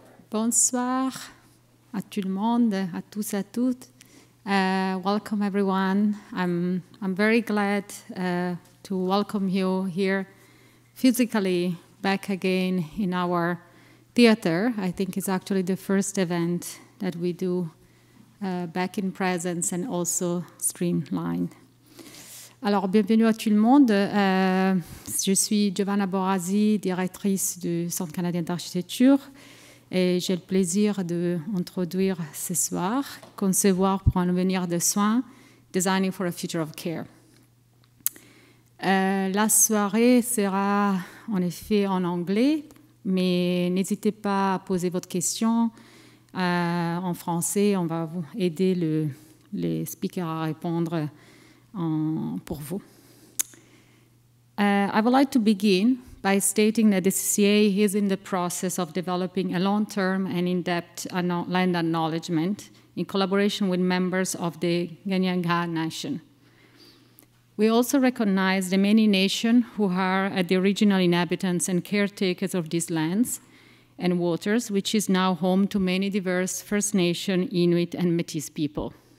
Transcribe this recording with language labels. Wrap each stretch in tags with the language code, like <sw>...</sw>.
<fr>Bonsoir à tout le monde, à tous et à toutes.</fr> <en>Welcome everyone. I'm very glad to welcome you here physically back again in our theater. I think it's actually the first event that we do back in presence and also streamlined.</en> <fr>Alors, bienvenue à tout le monde. Je suis Giovanna Borasi, directrice du Centre canadien d'architecture. Et j'ai le plaisir d'introduire ce soir, concevoir pour un avenir de soins,</fr> <en>Designing for a Future of Care.</en> <fr>La soirée sera en effet en anglais, mais n'hésitez pas à poser votre question en français. On va vous aider les speakers à répondre pour vous.</fr> <en>I would like to begin by stating that the CCA is in the process of developing a long-term and in-depth land acknowledgement in collaboration with members of the Ganyangha Nation. We also recognize the many nations who are the original inhabitants and caretakers of these lands and waters, which is now home to many diverse First Nation, Inuit, and Métis people.</en>